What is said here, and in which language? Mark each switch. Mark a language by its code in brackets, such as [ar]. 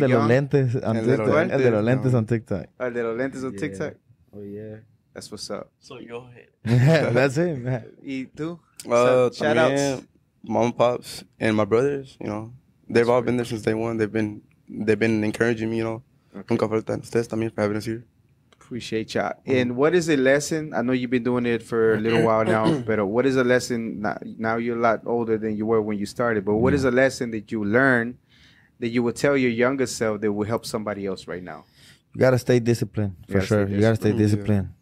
[en] de los Lentes on TikTok. El de los Lentes on TikTok. El de los Lentes on TikTok. Oh, yeah. That's what's up. So, yo. Head. That's it, man. [es] Y tú? [en] Shout outs. Mom and pops and my brothers, you know, they've that's all been there since day one. They've been encouraging me, you know. [es] Nunca faltan ustedes también [en] for having us here. Appreciate y'all. And what is the lesson? I know you've been doing it for a little while now, but what is the lesson? Now you're a lot older than you were when you started, but what is a lesson that you learned that you would tell your younger self that will help somebody else right now? You got to stay disciplined, for sure. You got to stay disciplined.